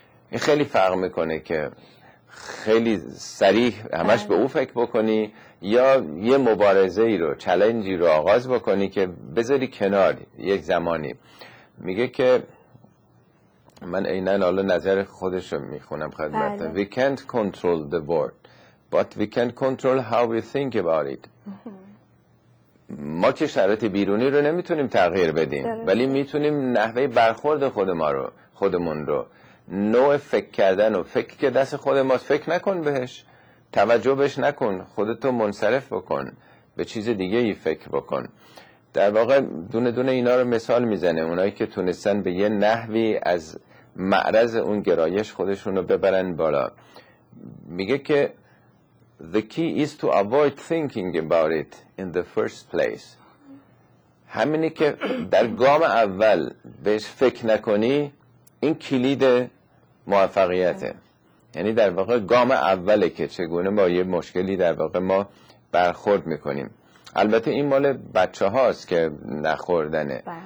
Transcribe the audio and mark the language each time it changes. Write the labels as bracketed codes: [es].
[fa] این خیلی فرق میکنه که خیلی صریح همش به او فکر بکنی یا یه مبارزه ای رو، چلنجی رو آغاز بکنی که بذاری کنار یک زمانی. میگه که من عیناً حالا نظر خودش رو میخونم خدمت هم. [en] We can't control the world but we can control how we think about it. [fa] ما چه شرایط بیرونی رو نمیتونیم تغییر بدیم، ولی میتونیم نحوه برخورد خودمون رو نوع فکر کردن و فکر که دست خود ماست، فکر نکن بهش، توجه بهش نکن، خودتو منصرف بکن، به چیز دیگه ای فکر بکن. در واقع دونه دونه اینا رو مثال میزنه، اونایی که تونستن به یه نحوی از معرض اون گرایش خودشون رو ببرن بالا. میگه که [en] The key is to avoid thinking about it in the first place. [fa] همینی که در گام اول بهش فکر نکنی، این کلید موفقیته. یعنی در واقع گام اوله که چگونه با یه مشکلی در واقع ما برخورد میکنیم. البته این مال بچه هاست که نخوردنه.